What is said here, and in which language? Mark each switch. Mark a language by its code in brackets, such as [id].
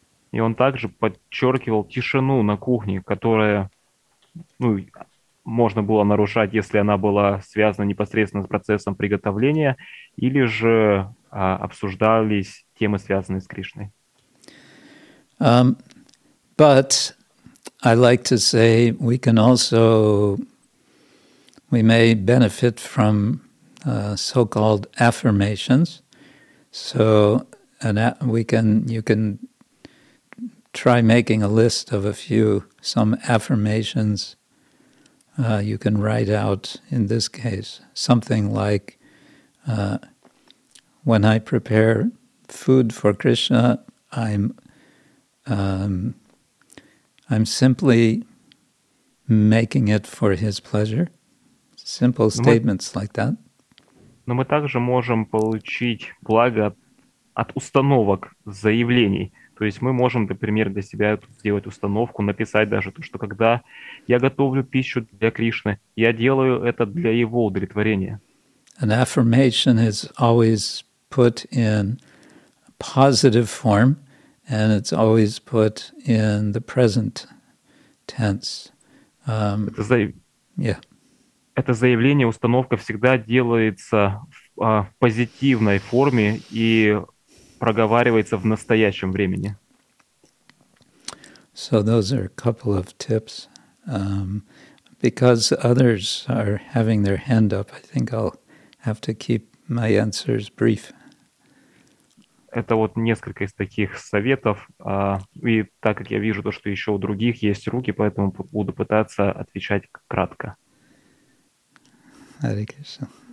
[ru] И он также подчеркивал тишину на кухне, которая, ну, можно было нарушать, если она была связана непосредственно с процессом приготовления, или же обсуждались темы, связанные с Кришной. [en] But I like to say we can also, we may benefit from so-called affirmations. So you can try making a list of some affirmations. You can write out, in this case, something like, when I prepare food for Krishna, I'm simply making it for his pleasure. Simple statements like that. [ru] Но мы также можем получить благо от установок, заявлений. То есть мы можем, например, для себя сделать установку, написать даже то, что когда я готовлю пищу для Кришны, я делаю это для его удовлетворения. [en] An affirmation is always put in positive form, and it's always put in the present tense. [ru] Это заявление, установка всегда делается в позитивной форме и проговаривается в настоящем времени. [en] So those are a couple of tips. Because others are having their hand up, I think I'll have to keep my answers brief. [ru] Это вот несколько из таких советов. И так как я вижу то, что еще у других есть руки, поэтому буду пытаться отвечать кратко. [sa] Hare Krishna.